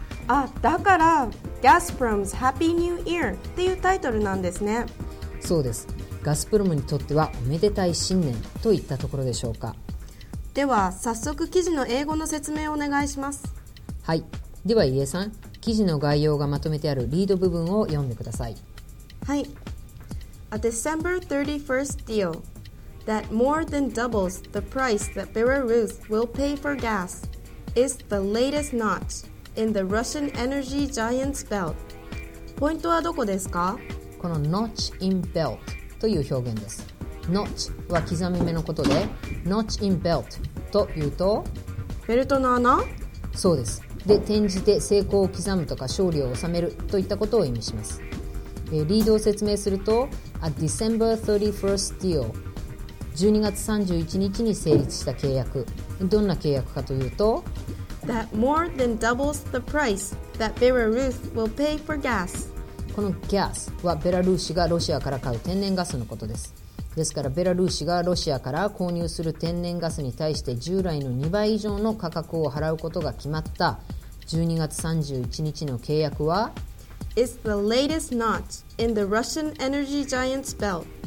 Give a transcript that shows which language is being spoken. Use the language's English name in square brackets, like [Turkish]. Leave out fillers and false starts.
[Japanese] あ、だからガスプロムズハッピーニューイヤーっていうタイトルなんですね。そうです。ガスプロムにとってはおめでたい新年といったところでしょうか。では早速記事の英語の説明をお願いします。はい、では家さん、記事の概要がまとめてあるリード部分を読んでください。はい。 [English] A December 31st dealThat more than doubles the price that Belarus will pay for gas is the latest notch in the Russian energy giant's belt. [Japanese] ポイントはどこですか？この [English] notch in belt [Japanese] という表現です。notch は刻み目のことで、notch in belt というと、ベルトの穴？そうです。で、転じて成功を刻むとか勝利を収めるといったことを意味します。リードを説明すると、 [English] A December 31st deal。 [Japanese] 12月31日に成立した契約、どんな契約かというと、 [English] That more than doubles the price that Belarus will pay for gas. [Japanese] この gas はベラルーシがロシアから買う天然ガスのことです。ですからベラルーシがロシアから購入する天然ガスに対して従来の2倍以上の価格を払うことが決まった12月31日の契約は、 [English] Is the latest notch in the Russian energy giant's belt。